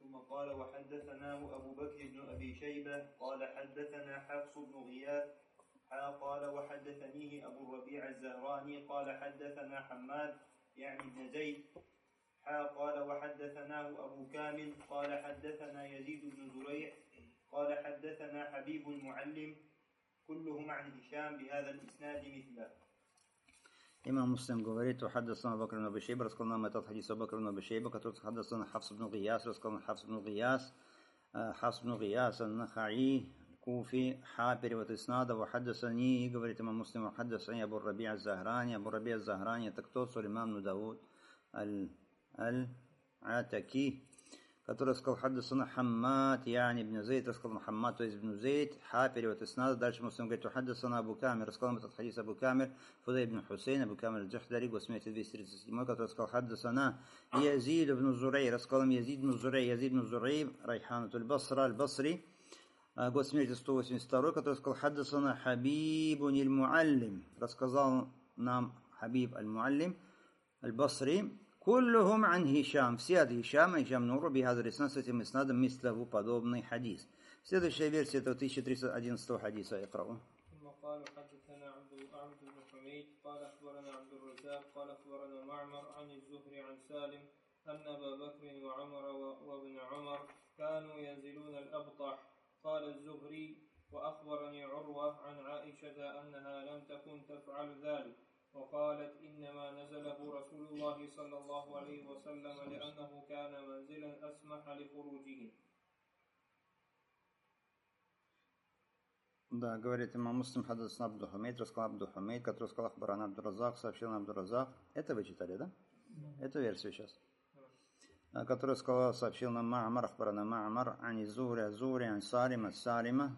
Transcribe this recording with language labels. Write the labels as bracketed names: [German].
[Arabic] قال وحدثناه أبو بكر بن أبي شيبة قال حدثنا حفص بن غياث قال وحدثنيه أبو الربيع الزهراني قال حدثنا حماد يعني بن زيد قال وحدثناه أبو كامل قال حدثنا يزيد بن زريع قال حدثنا حبيب المعلم كلهم عن هشام بهذا الإسناد مثله. [Russian] Имам Муслим говорит, что хаддасана Бакр ибн Абу Шейба, рассказал нам этот хадис о Бакр ибн Абу Шейба, который хаддасана Хафс ибн Гияс, рассказал нам Хафс ибн Гияс, Хафс ибн Гияс, ан-Нахаи, Куфи, Ха, перевод Иснада, ва хаддасани, и говорит имам Муслим, ва хаддасани Абу Раби аз-Захрани, Абу Раби аз-Захрани, это кто? Сулейман ибн Дауд, аль-Атаки, который сказал хаддасана Хаммад, яъни ибн Зейд, рассказал нам Хаммад, то есть ибн Зейд, ха, перевод Иснада. Дальше Муслим говорит, хаддасана Абу Камир, рассказал нам этот хадис Абу Камир, Фудай ибн Хусейн, Абу Камир аль-Джахдари, год смерти 237, который сказал хаддасана Язид ибн Зурей, рассказал нам Язид ибн Зурей, Райханат аль-Басра, аль-Басри, год смерти 182, который сказал хаддасана Хабибу аль-Муаллим, рассказал нам Хабиб аль-Муаллим, аль-Басри, [Arabic] كلهم عن هشام [Russian] все от هشама هشام نور [Arabic] بهذا الاسناد [Russian] с этим иснадом [Arabic] مثله [Russian] подобный хадис. Следующая версия этого 1311 хадиса я прав. [Arabic] قال حدثنا عبد بن حميد قال اخبرنا عبد الرزاق قال اخبرنا معمر عن الزهري عن سالم ان ابا بكر وعمر وابن عمر كانوا ينزلون الابطح قال الزهري واخبرني عروه عن عائشه انها لم تكن تفعل ذلك وقالت إنما نزله رسول الله صلى الله عليه وسلم لأنه كان منزلا أسمح لخروجه. [Russian] Да, говорит имам Муслим, хаддасана Абду Хамид, рассказал Абду Хамид, который сказал ахбарана Абду Разах, сообщил нам Абду Разах. Это вы читали, да? Эту версию сейчас. Который сказал, сообщил нам Маамар, ахбарана Маамар, ани Зури, Зури, ани Салима, Салима.